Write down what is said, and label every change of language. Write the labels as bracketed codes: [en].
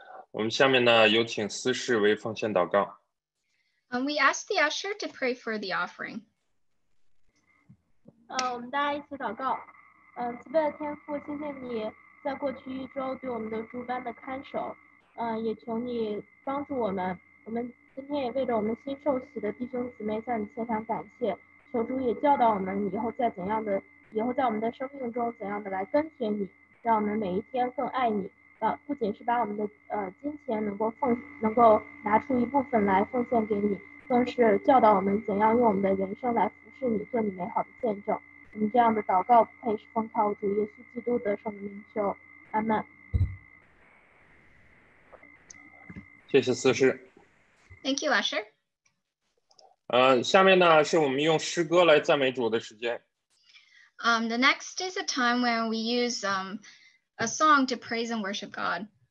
[zh] 我们下面呢有请司事为奉献祷告。 [en] And we ask the usher to pray for the offering. [zh] 我们大家一起祷告。慈悲的天父，谢谢你在过去一周对我们的诸般的看守。也求你帮助我们。我们今天也为着我们新受洗的弟兄姊妹向你献上感谢。求主也教导我们以后再怎样的，以后在我们的生命中怎样的来跟随你，让我们每一天更爱你。不仅是把我们的金钱能够拿出一部分来奉献给你，更是教导我们怎样用我们的人生来服侍你，做你美好的见证。我们这样的祷告配是奉靠主耶稣基督的圣名求，阿门。谢谢司事。 [en] Thank you, Usher. [zh] 下面呢是我们用诗歌来赞美主的时间。 [en] The next is a time where we use a song to praise and worship God.